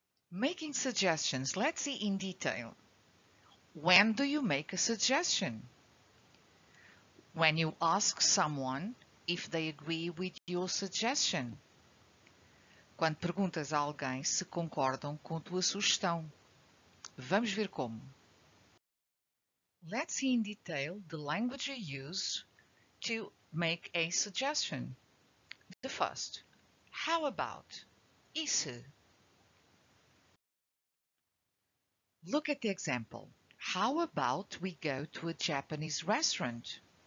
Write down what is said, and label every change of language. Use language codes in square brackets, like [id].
[en] Making suggestions. Let's see in detail. When do you make a suggestion? When you ask someone if they agree with your suggestion. [pt] Quando perguntas a alguém se concordam com tua sugestão. Vamos ver como. [en] Let's see in detail the language you use to make a suggestion. The first, how about? [pt] Isso. [en] Look at the example. How about we go to a Japanese restaurant?